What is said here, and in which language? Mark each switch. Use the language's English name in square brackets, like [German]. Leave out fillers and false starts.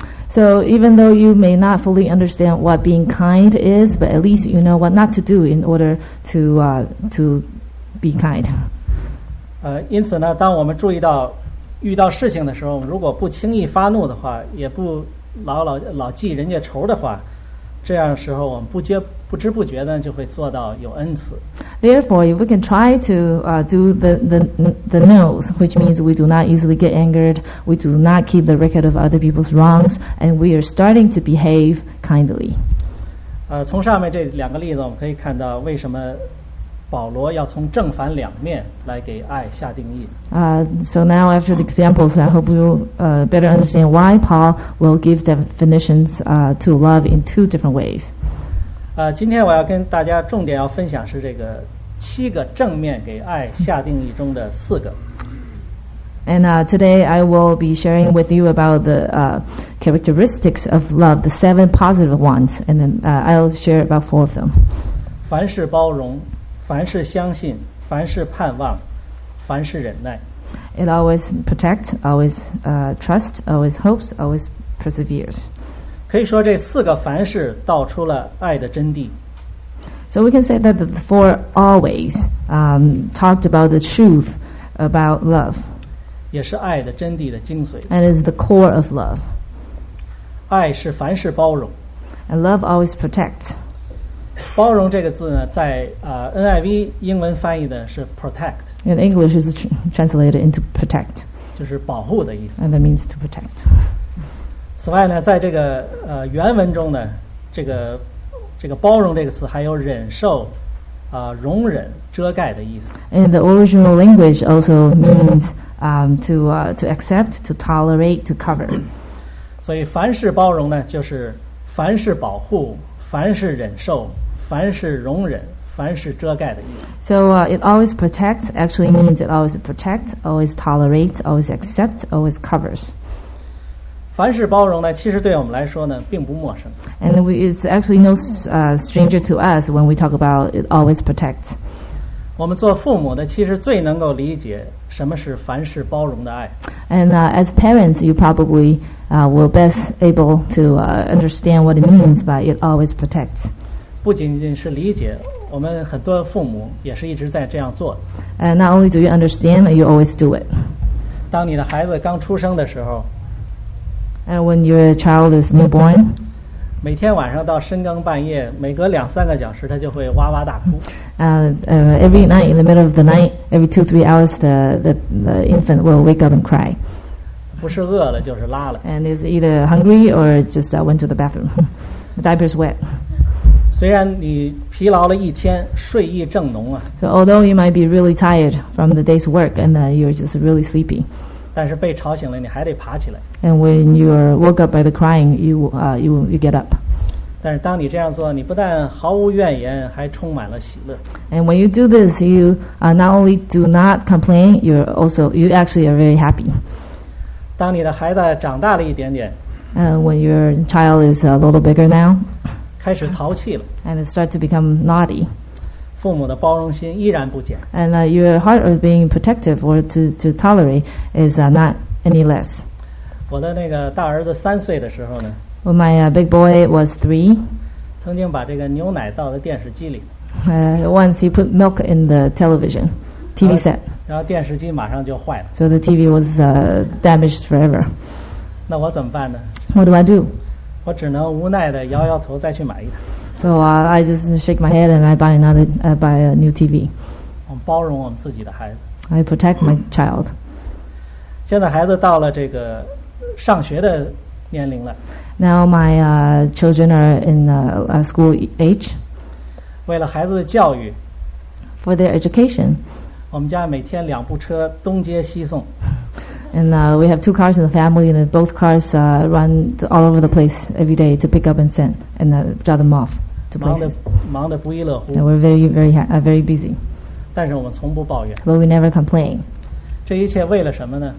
[English] So even though you may not fully understand what being kind is, but at least you know what not to do in order to be kind. [Chinese] 因此呢，当我们注意到遇到事情的时候，如果不轻易发怒的话，也不老记人家仇的话，这样的时候我们不知不觉的就会做到有恩慈。 [English] Therefore, if we can try to do the no's, which means we do not easily get angered, we do not keep the record of other people's wrongs, and we are starting to behave kindly. [Chinese] 从上面这两个例子，我们可以看到为什么保罗要从正反两面来给爱下定义。 [English] So now, after the examples, I hope you better understand why Paul will give definitions to love in two different ways. [Chinese] 今天我要跟大家重点要分享是这个七个正面给爱下定义中的四个。 [English] And today I will be sharing with you about the characteristics of love, the seven positive ones, and then I'll share about four of them. [Chinese] 凡事包容，凡事相信，凡事盼望，凡事忍耐。 [English] It always protects, always trust, always hopes, always perseveres. [Chinese] 可以说这四个凡事道出了爱的真谛。 [English] So we can say that the four always talked about the truth about love. [Chinese] 也是爱的真谛的精髓。 [English] And is the core of love. [Chinese] 爱是凡事包容。 [English] And love always protects. [Chinese] 包容这个字呢，在NIV 英文翻译的是 protect. [English] In English is translated into protect. [Chinese] 就是保护的意思。 [English] And that means to protect. [Chinese] 此外呢，在这个原文中呢，这个包容这个词还有忍受、容忍、遮盖的意思。 [English] And the original language also means to accept, to tolerate, to cover. [Chinese] 所以凡事包容呢，就是凡事保护、凡事忍受、凡事容忍、凡事遮盖的意思。 [English] So it always protects. Actually means it always protects, always tolerates, always accepts, always covers. [Chinese] 凡事包容呢，其实对我们来说呢，并不陌生。 [English] And it's actually no stranger to us when we talk about it always protects. [Chinese] 我们做父母的，其实最能够理解什么是凡事包容的爱。 [English] And as parents, you probably will best able to understand what it means by it always protects. [Chinese] 不仅仅是理解，我们很多父母也是一直在这样做。 [English] And not only do you understand, you always do it. [Chinese] 当你的孩子刚出生的时候。 [English] And when your child is newborn, [Chinese] 每天晚上到深更半夜，每隔两三个小时，他就会哇哇大哭。 [English] Every night in the middle of the night, every 2-3 hours, the infant will wake up and cry. [Chinese] 不是饿了就是拉了。 [English] And is either hungry or just went to the bathroom. Diaper's wet. [Chinese] 虽然你疲劳了一天，睡意正浓啊。 [English] So although you might be really tired from the day's work, and you're just really sleepy. [Chinese] 但是被吵醒了，你还得爬起来。 [English] And when you are woke up by the crying, you get up. [Chinese] 但是当你这样做，你不但毫无怨言，还充满了喜乐。 [English] And when you do this, you not only do not complain, you actually are very happy. [Chinese] 当你的孩子长大了一点点 [English] ，And when your child is a little bigger now, [Chinese] 开始淘气了 [English] ，And it start to become naughty. [Chinese] 父母的包容心依然不减。 [English] And your heart of being protective or to tolerate is not any less. [Chinese] 我的那个大儿子三岁的时候呢 [English] ，When my big boy was three, [Chinese] 曾经把这个牛奶倒在电视机里。 [English] Once he put milk in the television, TV set. [Chinese] 然后电视机马上就坏了。 [English] So the TV was damaged forever. [Chinese] 那我怎么办呢 [English] ？What do I do? [Chinese] 我只能无奈的摇摇头，再去买一台。 [English] So I just shake my head and I buy a new TV. [Chinese] 我包容我们自己的孩子。 [English] I protect my child. [Chinese] 现在孩子到了这个上学的年龄了。 [English] Now my children are in school age. [Chinese] 为了孩子的教育。 [English] For their education. [Chinese] 我们家每天两部车东接西送。 [English] And we have two cars in the family, and both cars run all over the place every day to pick up and send, and drop them off to places. And we're very, very, very busy. [Chinese] 但是我们从不抱怨。 [English] But we never complain. [Chinese] 这一切为了什么呢？